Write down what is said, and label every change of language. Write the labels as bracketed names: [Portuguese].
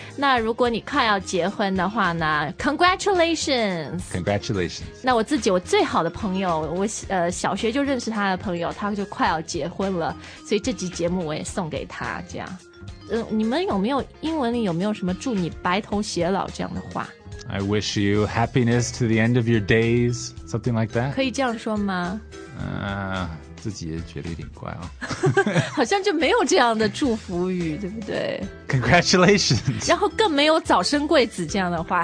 [Chinese] 那如果你快要结婚的话呢， congratulations。那我最好的朋友，我小学就认识他的朋友，他就快要结婚了，所以这集节目我也送给他这样。你们有没有英文里有没有什么祝你白头偕老这样的话？ [English] I wish you happiness to the end of your days, something like that. [Chinese] 可以这样说吗？自己也觉得有点怪哦。好像就没有这样的祝福语，对不对？ [English] Congratulations. [Chinese] 然后更没有早生贵子这样的话。